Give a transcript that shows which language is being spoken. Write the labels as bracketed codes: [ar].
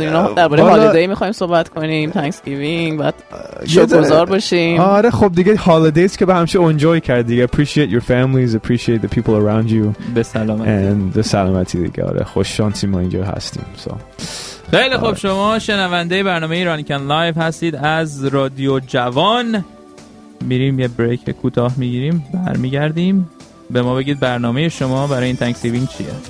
[fa] اینا درباره هالیدی می‌خوایم صحبت کنیم. Thanksgiving بعد شکرگزار باشیم. آره خب دیگه هالیدیز که به همشه انجوی کرد دیگه. [en] Appreciate your families, appreciate the people around you. [fa] به سلامتی. [en] And the [fa] سلامتی دیگه. آره خوش شانسی ما اینجا هستیم. [en] So. [fa] خیلی خوب شما شنونده برنامه ایرانی کن لایو هستید از رادیو جوان. میریم یه بریک کوتاه می‌گیریم. برمیگردیم. به ما بگید برنامه شما برای این تنکسیوینگ چیه؟